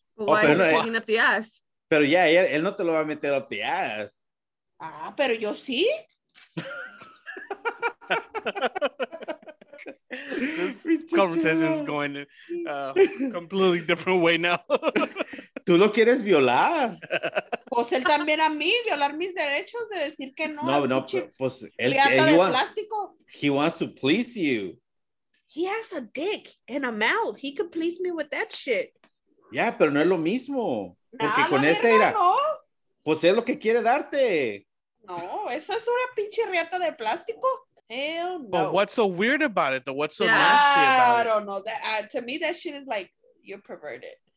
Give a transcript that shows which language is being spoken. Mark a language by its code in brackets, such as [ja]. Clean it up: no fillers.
[en] Why are you taking up the ass? [es] Pero ya, él no te lo va a meter [en] up the ass. [es] Pero yo sí. [en] This conversation is going a completely different way now. [es] Tú lo quieres violar. Pues él también a mí, violar mis derechos de decir que no. No, pues él que de plástico. [en] He wants to please you. He has a dick and a mouth. He could please me with that shit. Yeah, [es] pero no es lo mismo. Porque con este era. Pues es lo que quiere darte. No, esa es una pinche riata de plástico. [en] Hell no. But what's so weird about it, though? What's so nasty about it? I don't know. To me, that shit is like, you're perverted.